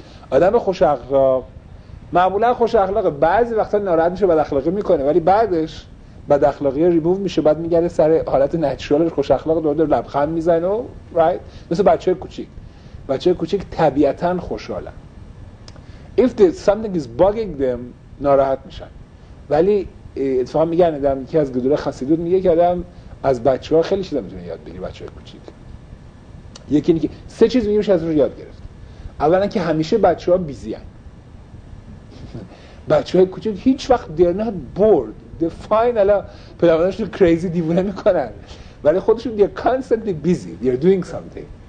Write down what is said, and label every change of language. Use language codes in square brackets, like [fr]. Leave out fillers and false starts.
[fa] آدم خوش اخلاق معمولا خوش اخلاقه، بعضی وقتا ناراحت میشه بد اخلاقی میکنه، ولی بعدش بعد اخلاقی ریموو میشه، بعد میگره سر حالت نچرالش خوش اخلاق، دوباره لبخند میزنه و رایت مثل بچه کوچیک. بچه کوچیک طبیعتا خوشحالن. [en] If something is bugging them [fa] ناراحت میشن. ولی اتفاقا میگن آدم که از گدوره خسیدوت میگه که آدم از بچه‌ها خیلی چیزا میتونه یاد بگیره. بچه کوچیک یکی اینکه سه چیز میگه میشه از روش یاد گرفت. اولا که همیشه بچه‌ها بیزین. بچه‌های کوچیک هیچ وقت [en] they're not bored. [fa] فاین الان پدرمادرش رو کریزی دیوونه میکنن، ولی خودشون دیگه [en] Constantly busy, they are doing something.